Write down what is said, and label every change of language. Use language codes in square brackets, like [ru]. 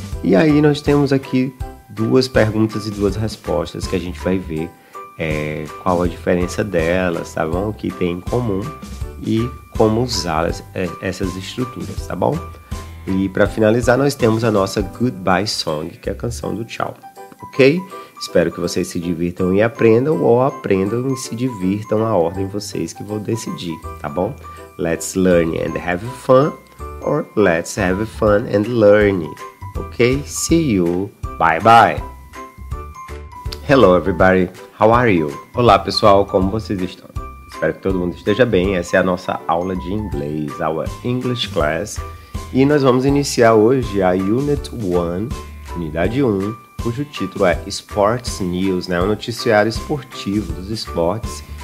[pt] E aí nós temos aqui duas perguntas e duas respostas que a gente vai ver qual a diferença delas, tá bom? O que tem em comum e como usar essas estruturas, tá bom? E para finalizar, nós temos a nossa Goodbye Song, que é a canção do tchau, ok? Espero que vocês se divirtam e aprendam, ou aprendam e se divirtam, a ordem vocês que vão decidir, tá bom? [en] Let's learn and have fun, or let's have fun and learn, ok? See you, bye bye! Hello everybody, how are you? [pt] Olá pessoal, como vocês estão? Espero que todo mundo esteja bem. Essa é a nossa aula de inglês, [en] our English class. [pt] E nós vamos iniciar hoje a Unit 1, unidade 1, cujo título é Sports News, né? O noticiário esportivo dos esportes.